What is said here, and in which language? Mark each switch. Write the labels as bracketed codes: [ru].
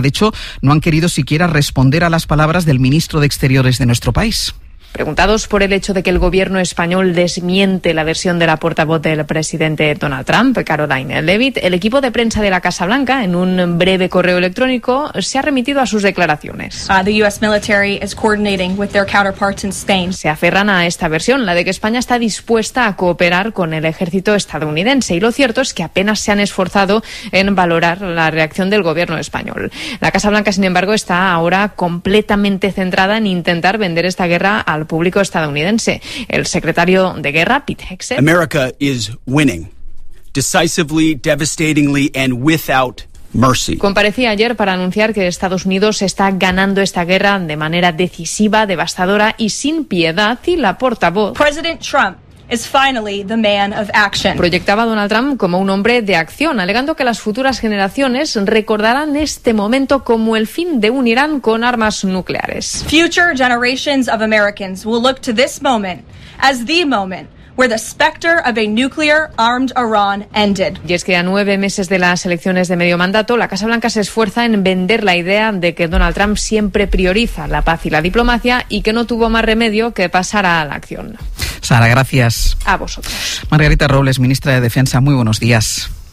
[es] De hecho, no han querido siquiera responder a las palabras del ministro de Exteriores de nuestro país. Preguntados por el hecho de que el gobierno español desmiente la versión de la portavoz del presidente Donald Trump, Caroline Leavitt, el equipo de prensa de la Casa Blanca, en un breve correo electrónico, se ha remitido a sus declaraciones. [en] The US military is coordinating with their counterparts in Spain. [es] Se aferran a esta versión, la de que España está dispuesta a cooperar con el ejército estadounidense. Y lo cierto es que apenas se han esforzado en valorar la reacción del gobierno español. La Casa Blanca, sin embargo, está ahora completamente centrada en intentar vender esta guerra al público estadounidense. El secretario de Guerra, Pete Hegseth. [en] America is winning. Decisively, devastatingly, and without mercy. [es] Comparecía ayer para anunciar que Estados Unidos está ganando esta guerra de manera decisiva, devastadora y sin piedad, y la portavoz. [en] President Trump is finally the man of action. [es] Proyectaba a Donald Trump como un hombre de acción, alegando que las futuras generaciones recordarán este momento como el fin de un Irán con armas nucleares. [en] Future generations of Americans will look to this moment as the moment where the specter of a nuclear armed Iran ended. [es] Y es que a 9 meses de las elecciones de medio mandato, la Casa Blanca se esfuerza en vender la idea de que Donald Trump siempre prioriza la paz y la diplomacia y que no tuvo más remedio que pasar a la acción. Sara, gracias. A vosotros. Margarita Robles, ministra de Defensa, muy buenos días.